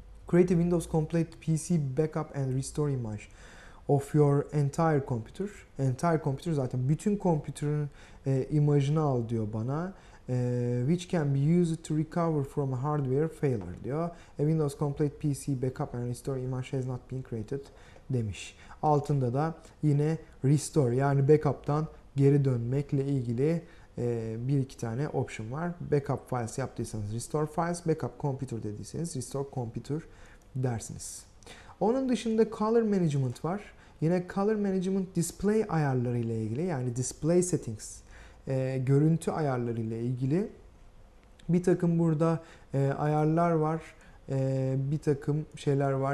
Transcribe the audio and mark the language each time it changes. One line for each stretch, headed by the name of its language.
English: Create a Windows complete PC backup and restore image of your entire computer.
Turkish: Entire computer zaten bütün computer'ın imajını al diyor bana.
English: Which can be used to recover from a hardware failure
Turkish: diyor.
English: A Windows complete PC backup and restore image has not been created
Turkish: demiş. Altında da yine restore yani backup'tan geri dönmekle ilgili bir iki tane option var. Backup files yaptıysanız restore files, backup computer dediyseniz restore computer dersiniz. Onun dışında color management var. Yine color management display ayarları ile ilgili yani display settings, görüntü ayarları ile ilgili bir takım burada ayarlar var, bir takım şeyler var.